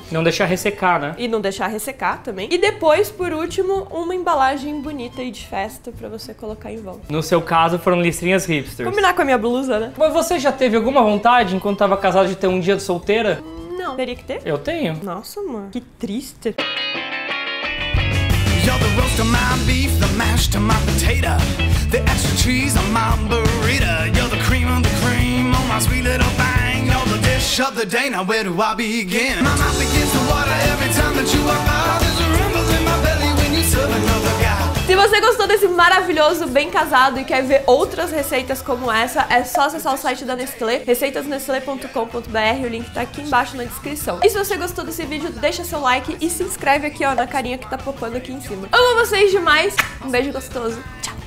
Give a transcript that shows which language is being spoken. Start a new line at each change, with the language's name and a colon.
Portuguese: Não deixar ressecar, né? E não deixar ressecar também. E depois, por último, uma embalagem bonita e de festa pra você colocar em volta. No seu caso, foram listrinhas hipsters. Combinar com a minha blusa, né? Mas você já teve alguma vontade, enquanto tava casado, de ter um dia de solteira? Não. Teria que ter? Eu tenho. Nossa, mano. Que triste.
English: You're the roast of my beef, the mash to my potato, the extra cheese on my burrito. You're the cream of the cream on my sweet little bang. You're the dish of the day, now where do I begin? My mouth begins to water every time that you walk by. There's a rumble in my belly when you serve another.
Portuguese: Se você gostou desse maravilhoso bem casado e quer ver outras receitas como essa, é só acessar o site da Nestlé, receitasnestlé.com.br, o link tá aqui embaixo na descrição. E se você gostou desse vídeo, deixa seu like e se inscreve aqui, ó, na carinha que tá popando aqui em cima. Amo vocês demais, um beijo gostoso, tchau!